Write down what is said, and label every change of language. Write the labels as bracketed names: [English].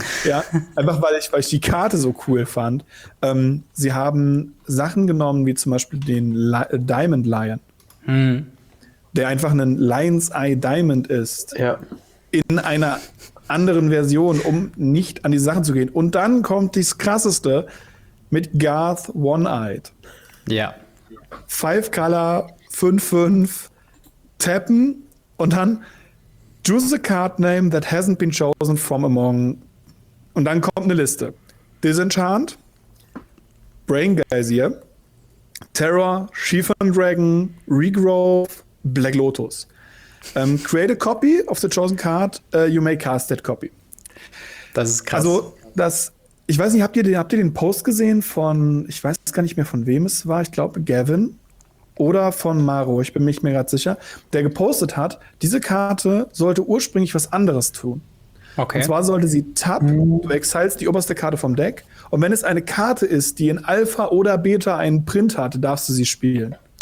[German] Ja, einfach weil ich die Karte so cool fand. Sie haben Sachen genommen, wie zum Beispiel den Diamond Lion, der einfach ein Lion's Eye Diamond ist. Ja. In einer anderen Version, um nicht an die Sachen zu gehen. Und dann kommt das Krasseste. Mit Garth One-Eyed. Ja. [English] Five Color, 5-5, [German] tappen und dann [English] choose a card name that hasn't been chosen from among. [German] Und dann kommt eine Liste. [English] Disenchant, Brain Geysir, Terror, Shifan Dragon, Regrowth, Black Lotus. Create a copy of the chosen card, you may cast that copy. [German] Das ist krass. Also, das. Ich weiß nicht, habt ihr den Post gesehen von, ich weiß gar nicht mehr von wem es war, ich glaube Gavin oder von Maro, ich bin mir nicht mehr gerade sicher, der gepostet hat, diese Karte sollte ursprünglich was anderes tun. Okay. Und zwar sollte sie tap, du exilst die oberste Karte vom Deck und wenn es eine Karte ist, die in Alpha oder Beta einen Print hat, darfst du sie spielen.